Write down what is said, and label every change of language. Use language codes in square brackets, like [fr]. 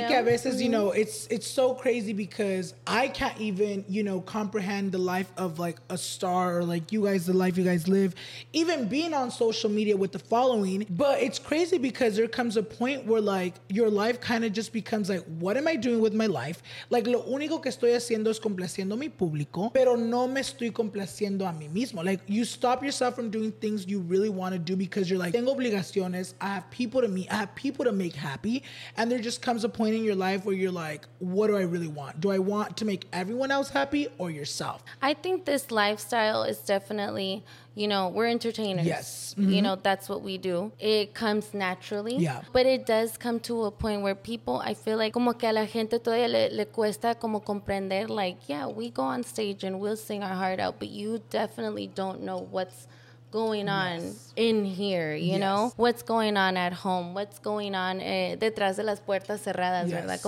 [es] Que a veces, [en] you know, it's so crazy because I can't even, you know, comprehend the life of like a star or like you guys, the life you guys live. Even being on social media with the following. But it's crazy because there comes a point where like your life kind of just becomes like, what am I doing with my life? [es] Like, lo único que estoy haciendo es complaciendo mi público, pero no me estoy complaciendo a mí mismo. [en] Like, you stop yourself from doing things you really want to do because you're like, [es] tengo obligaciones. [en] I have people to meet. I have people to make happy. And there just comes a point in your life where you're like, what do I really want? Do I want to make everyone else happy or yourself? I think this lifestyle is definitely, you know, we're entertainers. Yes. Mm-hmm. You know, that's what we do. It comes naturally. Yeah. But it does come to a point where people, I feel like, [es] como que a la gente todavía le cuesta como comprender, [en] like, yeah, we go on stage and we'll sing our heart out, but you definitely don't know what's going on in here, you know? What's going on at home? What's going on [es] detrás de las puertas cerradas, ¿verdad?